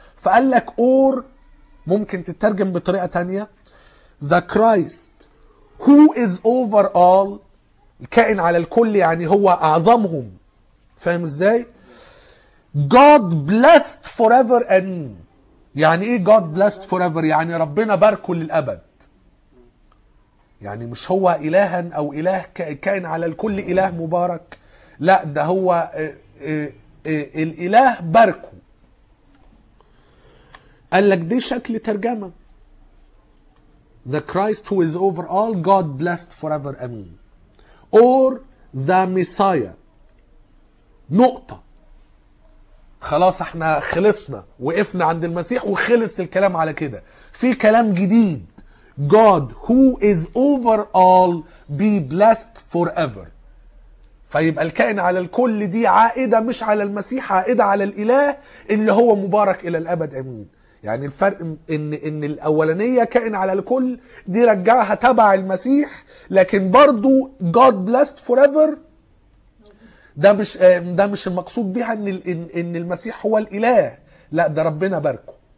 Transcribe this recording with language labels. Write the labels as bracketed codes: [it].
[ar] فقال لك اور ممكن تترجم بطريقه ثانيه، [en] the Christ who is over all, [ar] الكائن على الكل يعني هو اعظمهم، فاهم ازاي؟ [en] God blessed forever amen، [ar] يعني ايه [en] God blessed forever؟ [ar] يعني ربنا باركه للابد، يعني مش هو الها او اله كائن على الكل اله مبارك، لا ده هو الاله باركه. قال لك دي شكل ترجمة، [en] the Christ who is over all God blessed forever amen، or the Messiah [ar] نقطة خلاص احنا خلصنا وقفنا عند المسيح وخلص الكلام على كده. في كلام جديد, [en] God who is over all be blessed forever. [ar] فيبقى الكائن على الكل دي عائدة مش على المسيح, عائدة على الإله اللي هو مبارك إلى الأبد أمين. يعني الفرق إن الأولانية كائن على الكل دي رجعها تبع المسيح, لكن برضو [en] God blessed forever [ar] ده مش المقصود بها إن المسيح هو الإله, لا ده ربنا باركه.